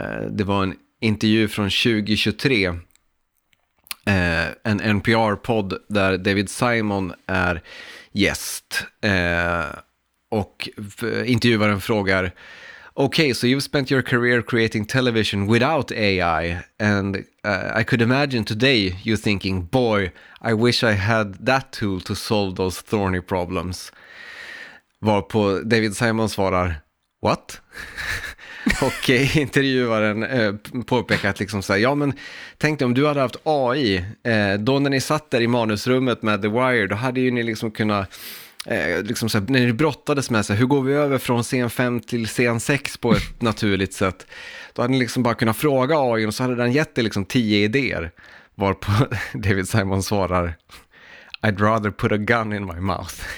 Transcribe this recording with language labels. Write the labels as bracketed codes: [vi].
[sv] Det var en intervju från 2023. En NPR-podd där David Simon är gäst. Och intervjuaren frågar [en] okay, so you've spent your career creating television without AI, and I could imagine today you thinking, boy, I wish I had that tool to solve those thorny problems. [sv] Varpå David Simon svarar, what? Och intervjuaren påpekar att liksom så här, ja men tänk dig om du hade haft AI, då när ni satt där i manusrummet med The Wire, då hade ju ni liksom kunnat, liksom så här, när ni brottades med så här, hur går vi över från scen 5 till scen 6 på ett naturligt sätt, då hade ni liksom bara kunnat fråga AI och så hade den gett er liksom 10 idéer, varpå David Simon svarar, [en] I'd rather put a gun in my mouth.